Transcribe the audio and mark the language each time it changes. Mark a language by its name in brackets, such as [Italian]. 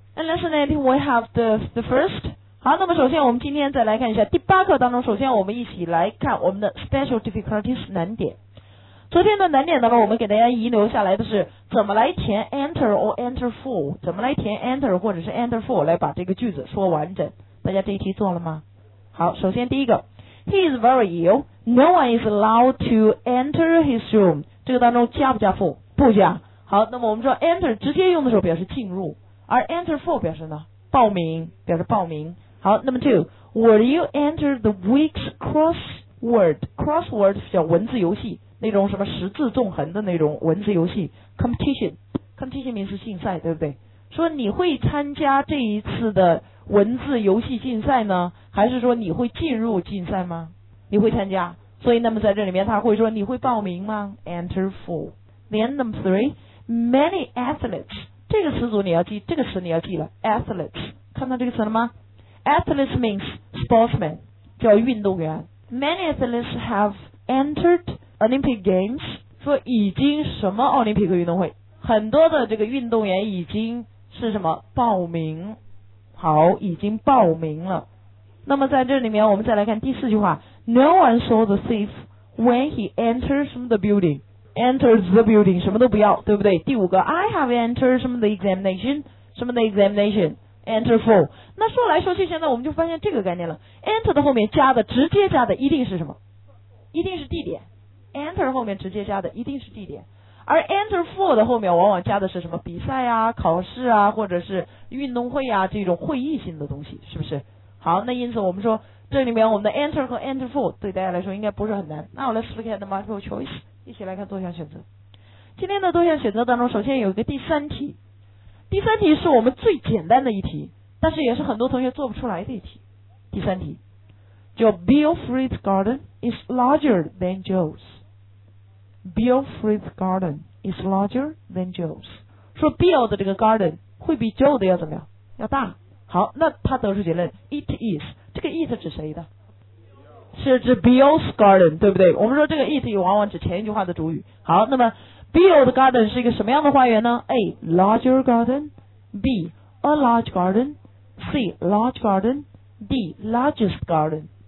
[English] And lesson 18, we have the first. [Chinese] 好，那么首先我们今天再来看一下第八课当中，首先我们一起来看我们的 special difficulties 难点。昨天的难点当中，我们给大家遗留下来的是怎么来填 enter or enter for， 怎么来填 enter 或者是 enter for 来把这个句子说完整。大家这一题做了吗？好，首先第一个 [English] ，He is very ill. No one is allowed to enter his room. [Chinese] 这个当中加不加 for？ 不加。好，那么我们说 enter 直接用的时候表示进入，而 enter for 表示呢报名，表示报名。 [English] 好，那么 two， Will you enter the week's crossword？ [Chinese] Crossword 是叫文字游戏，那种什么十字纵横的那种文字游戏 competition。 competition 名词竞赛，对不对？说你会参加这一次的文字游戏竞赛呢，还是说你会进入竞赛吗？你会参加，所以那么在这里面他会说你会报名吗？Enter for。 [English] Then number three， Many athletes， [Chinese] 这个词组你要记，这个词你要记了， athletes， 看到这个词了吗？ [English] Athletes means sportsman， [Chinese] 叫运动员。 [English] Many athletes have entered Olympic Games， [Chinese] 说已经什么奥林匹克运动会，很多的这个运动员已经是什么报名，好，已经报名了。那么在这里面我们再来看第四句话， [English] No one saw the thief when he entered the building， [Chinese] entered the building 什么都不要，对不对？第五个， [English] I have entered some of the examination， [Chinese] 什么的 [English] examination， enter for。 [Chinese] 那说来说去现在我们就发现这个概念了， enter 的后面加的直接加的一定是什么？一定是地点。 enter 后面直接加的一定是地点，而 enter for 的后面往往加的是什么比赛啊、考试啊，或者是运动会啊，这种会议性的东西，是不是？好，那因此我们说这里面我们的 enter 和 enter for 对大家来说应该不是很难。那我们 [English] look at the multiple choice， [Chinese] 一起来看多项选择。今天的多项选择当中，首先有一个第三题，第三题是我们最简单的一题，但是也是很多同学做不出来的一题。 [English] 第三题叫 Bill Fried's Garden is larger than Joe'sBill Fried's garden is larger than Joe's， [Chinese] 说 Bill 的这个 garden 会比 Joe 的要怎么样，要大。好，那他得出结论 It is， 这个 it 指谁的？是指 Bill's garden， 对不对？我们说这个 it 往往指前一句话的主语。好，那么 Bill's garden 是一个什么样的花园呢？ [English] A larger garden， B a large garden， C large garden， D largest garden。